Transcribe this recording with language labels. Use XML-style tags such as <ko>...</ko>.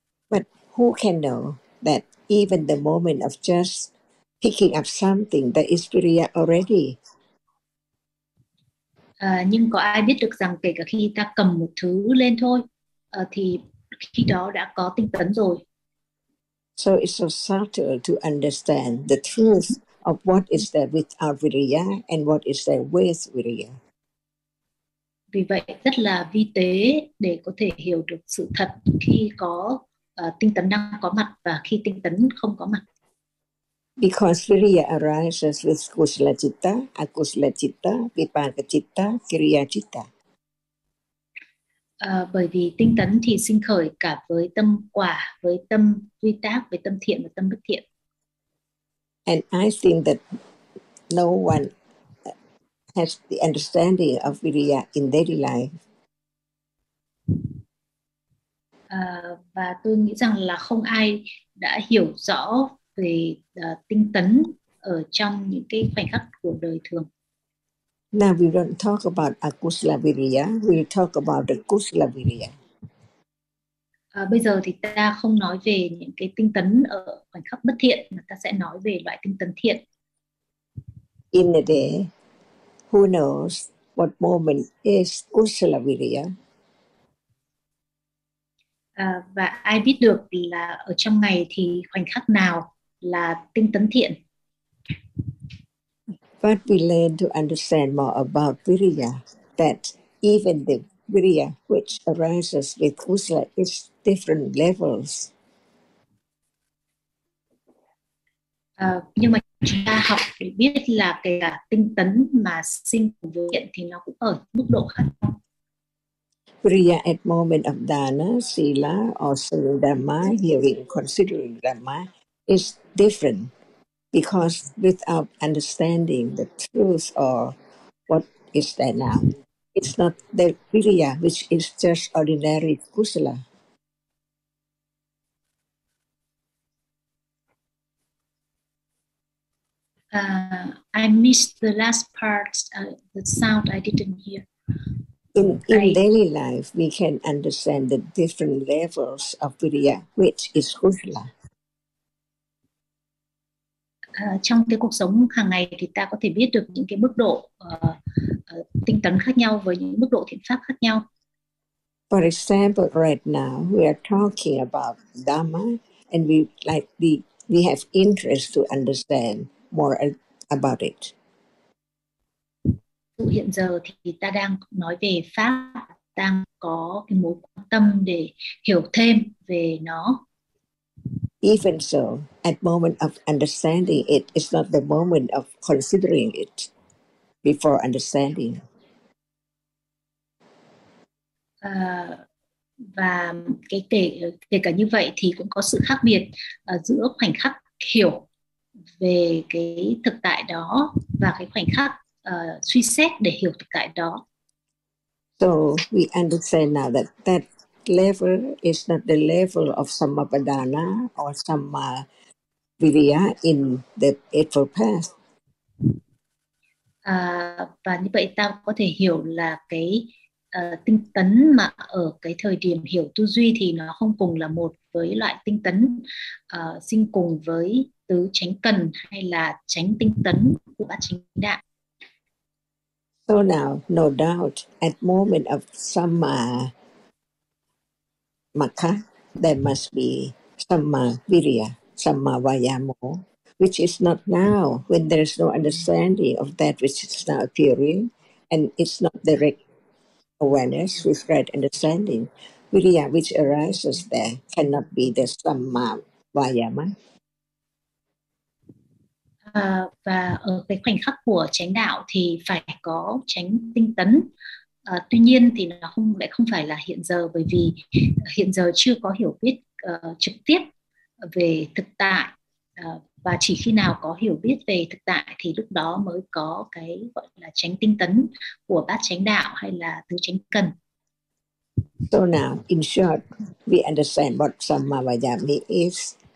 <en>But who can know that even the moment of just picking up something that is Viriya already?</en> <vi>Nhưng có ai biết được rằng kể cả khi ta cầm một thứ lên thôi thì khi đó đã có tinh tấn rồi.</vi> <en>So it's so subtle to understand the truth of what is there without Viriya and what is there with Viriya.</en> <vi>Vì vậy rất là vi tế để có thể hiểu được sự thật khi có tinh tấn đang có mặt và khi tinh tấn không có mặt.</vi> <en>Because Viriya arises with Kusala Citta, Akusala Citta, Vipaka Citta, Kriya Citta.</en> <vi>Bởi vì tinh tấn thì sinh khởi cả với tâm quả, với tâm vi tác, với tâm thiện và tâm bất thiện.</vi> <en>And I think that no one has the understanding of Viriya in daily life.</en> <vi>Và tôi nghĩ rằng là không ai đã hiểu rõ về tinh tấn ở trong những cái khoảnh khắc của đời thường.</vi> <en>Now we don't talk about akusala viriya, we talk about the kusala viriya.</en> <vi>Bây giờ thì ta không nói về những cái tinh tấn ở khoảnh khắc bất thiện mà ta sẽ nói về loại tinh tấn thiện.</vi> <en>In the day, who knows what moment is kusala viriya?</en> <vi>Và ai biết được là ở trong ngày thì khoảnh khắc nào là tinh tấn thiện.</vi> <en>But we learn to understand more about viriya, that even the viriya which arises with kusala is different levels.</en> <vi>Nhưng mà chúng ta học để biết là cái tinh tấn mà sinh viên thiện thì nó cũng ở mức độ khác nhau.</vi> <en>Viriya at moment of dana, sila, or seeing dhamma, hearing, considering dhamma is different. Because without understanding the truth or what is there now, it's not the viriya which is just ordinary kusala. I missed the last part, the sound I didn't hear. In daily life, we can understand the different levels of viriya, which is kusala.</en> <vi>Trong cái cuộc sống hàng ngày thì ta có thể biết được những cái mức độ tinh tấn khác nhau với những mức độ thiện pháp khác nhau.</vi> <en>For example, right now we are talking about Dhamma and we have interest to understand more about it.</en> <vi>Hiện giờ thì ta đang nói về pháp, đang có cái mối quan tâm để hiểu thêm về nó.</vi> <en>Even so, at moment of understanding it, it's not the moment of considering it before understanding.</en> <vi>Và cái kể cả như vậy thì cũng có sự khác biệt giữa khoảnh khắc hiểu về cái thực tại đó và cái khoảnh khắc suy xét để hiểu thực tại đó.</vi> <en>So we understand now that that level is not the level of Sammapadana or Sammaviriya in the Eightfold Path.</en> <vi>Và như vậy ta có thể hiểu là cái tinh tấn mà ở cái thời điểm hiểu tư duy thì nó không cùng là một với loại tinh tấn sinh cùng với tứ chánh cần hay là chánh tinh tấn của bát chánh đạo.</vi> <en>So now, no doubt, at moment of Sammapadana, Maka, there must be Samma Virya, Samma Vayamo, which is not now, when there is no understanding of that which is now appearing, and it's not direct awareness with right understanding. Virya which arises there cannot be the Samma Vayama.</en> <vi>Và ở cái khoảnh khắc của chánh đạo thì phải có chánh tinh tấn. Tuy nhiên thì nó không lại không phải là hiện giờ bởi vì hiện giờ chưa có hiểu biết trực tiếp về thực tại và chỉ khi nào có hiểu biết về thực tại thì lúc đó mới có cái gọi là chánh tinh tấn của bát chánh đạo hay là tứ chánh cần.</vi> <en>So now, in short, we understand what Sammavayami is.</en>